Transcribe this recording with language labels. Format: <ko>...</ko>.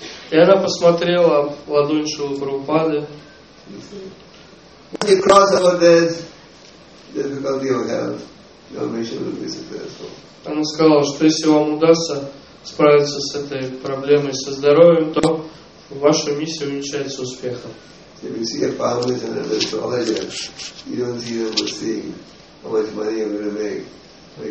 <ru>И она посмотрела в ладонь Шрилы Прабхупады.</ru> <en>When you cross over there, difficulty will have. Your mission will be successful.</en> <ru>Она сказала, что если вам удастся справиться с этой проблемой со здоровьем, то ваша миссия увенчается успехом.</ru> <en>If you see a palmist and an astrologer, you don't see them as seeing how much money I'm going to make.</en>